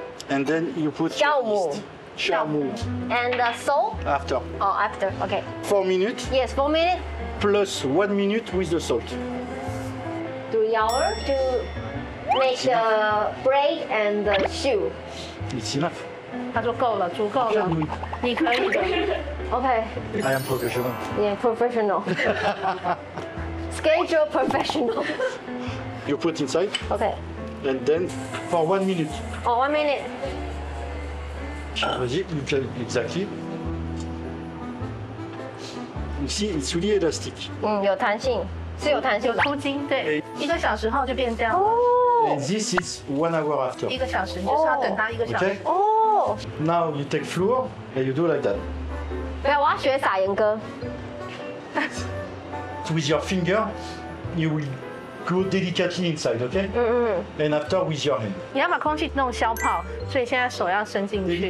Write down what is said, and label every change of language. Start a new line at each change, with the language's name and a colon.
English: And then you put
Chinese: 酵母，酵母
English: ，and the salt after. Oh, after. Okay. 4 minutes. Yes, 4 minutes. Plus 1 minute with the salt. 3 hours to make the bread and the shoe. It's enough.
Chinese: 他说够了，足够了，你可以的。
English: Okay. I am professional. Yeah, professional. Schedule professional. You put inside. Okay. And then for 1 minute. Oh, 1 minute.
French: Vas-y,
English: you can exactly. You see, it's really elastic.
Chinese: 有弹性，是有弹性，有粗筋，对。一个小时后就变这样。
English: And this is 1 hour after.
Chinese: 一个小时，你就是要等它一个小时。
English: Okay. Now you take flour and you do like that.
Chinese: 不要，我要学撒盐哥。
English: With your finger, you will. Go delicately inside, okay? And after with your hand.
Chinese: 你要把空气弄消泡，所以现在手要伸进去。